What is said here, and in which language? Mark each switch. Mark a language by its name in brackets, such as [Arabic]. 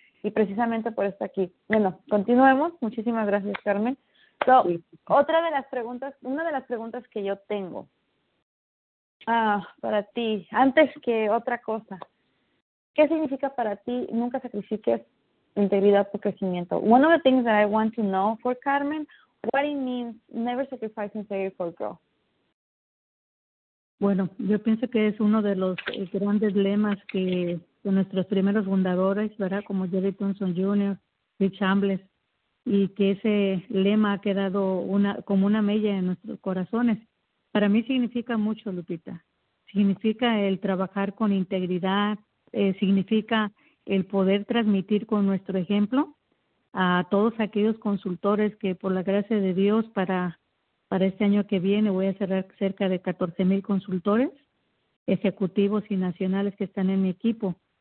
[Spanish] Y precisamente por esto aquí. Bueno, continuemos. Muchísimas gracias, Carmen. So, sí. Otra de las preguntas, una de las preguntas que yo tengo para ti, antes que otra cosa, ¿qué significa para ti nunca sacrifiques integridad por crecimiento? [English] One of the things that I want to know for Carmen, what it means never sacrifice integrity for growth. [Spanish] Bueno, yo pienso que es uno de los grandes lemas que de nuestros primeros fundadores, ¿verdad?, como Jerry Thompson Jr., Rich Ambles, y que ese lema ha quedado como una mella en nuestros corazones. Para mí significa mucho, Lupita. Significa el trabajar con integridad, significa el poder transmitir con nuestro ejemplo a todos aquellos consultores que, por la gracia de Dios, para este año que viene voy a cerrar cerca de 14,000 consultores ejecutivos y nacionales que están en mi equipo.